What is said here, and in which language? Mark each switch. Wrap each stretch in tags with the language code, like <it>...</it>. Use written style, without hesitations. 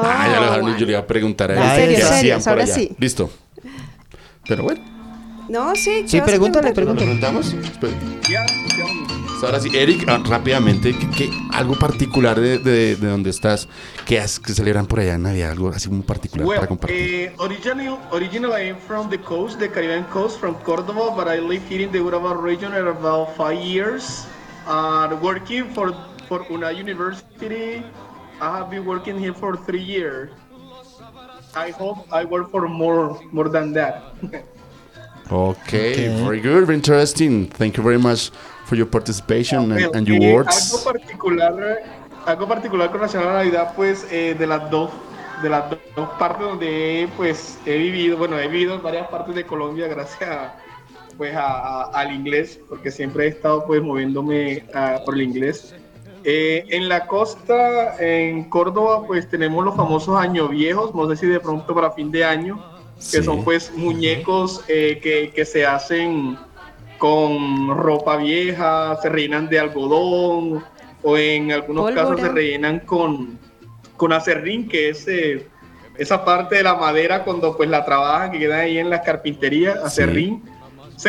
<es>Ah, ya lo dejaron y yo le iba a preguntar a él. ¿Qué hacían por allá? Ahora sí. Listo. Pero bueno. No, sí. Sí, pregúntale, pregúntale. ¿Lo preguntamos? Espera. Ahora sí, Eric, rápidamente, ¿qué algo particular de donde estás? ¿Qué has que celebran por allá en Navidad? Algo así muy particular</es> <en>well,</en> <es>para compartir.</es> <en>Originally, I am from the coast, the Caribbean coast, from Córdoba, but I live here in the Urabá region for about 5 years. Working for una university, I have been working here for 3 years. I hope I work for more than that. Okay, very good, very interesting. Thank you very much for your participation and your words.</en> <es>Algo particular con relación a la Navidad, pues de las dos partes donde pues he vivido en varias partes de Colombia gracias al inglés, porque siempre he estado pues moviéndome por el inglés. En la costa, en Córdoba, pues tenemos los famosos años viejos, no sé si de pronto para fin de año, que sí. Son pues muñecos que se hacen con ropa vieja, se rellenan de algodón, o en algunos casos se rellenan con aserrín, que es esa parte de la madera cuando pues la trabajan, que queda ahí en las carpinterías, aserrín, sí.</es>